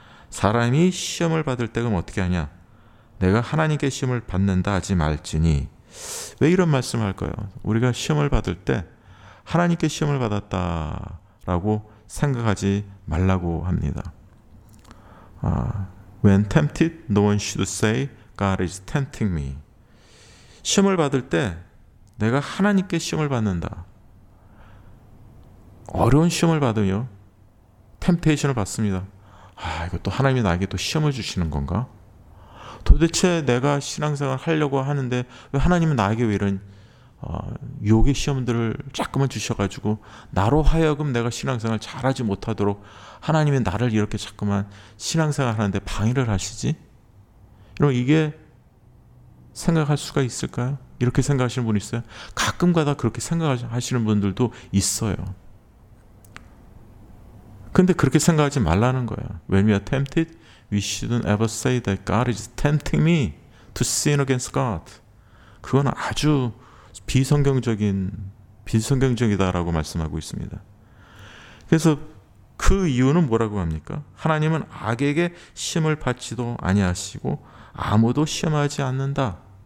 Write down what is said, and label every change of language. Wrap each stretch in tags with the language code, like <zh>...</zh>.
<ko>사람이 시험을 받을 때 그럼 어떻게 하냐. 내가 하나님께 시험을 받는다 하지 말지니. 왜 이런 말씀을 할까요? 우리가 시험을 받을 때 하나님께 시험을 받았다라고 생각하지 말라고 합니다.</ko> <en>When tempted, no one should say, God is tempting me.</en> <ko>시험을 받을 때 내가 하나님께 시험을 받는다. 어려운 시험을 받으며 템테이션을 받습니다. 아, 이거 또 하나님이 나에게 또 시험을 주시는 건가? 도대체 내가 신앙생활 하려고 하는데 왜 하나님은 나에게 왜 이런 유혹의 시험들을 자꾸만 주셔가지고 나로 하여금 내가 신앙생활 잘하지 못하도록 하나님이 나를 이렇게 자꾸만 신앙생활 하는데 방해를 하시지? 그럼 이게 생각할 수가 있을까요? 이렇게 생각하시는 분 있어요? 가끔가다 그렇게 생각하시는 분들도 있어요. 근데 그렇게 생각하지 말라는 거예요.</ko> <en>When we are tempted, we shouldn't ever say that God is tempting me to sin against God.</en> <ko>그건 아주 비성경적이다라고 말씀하고 있습니다. 그래서 그 이유는 뭐라고 합니까? 하나님은 악에게 시험을 받지도 아니하시고 아무도 시험하지 않는다.</ko>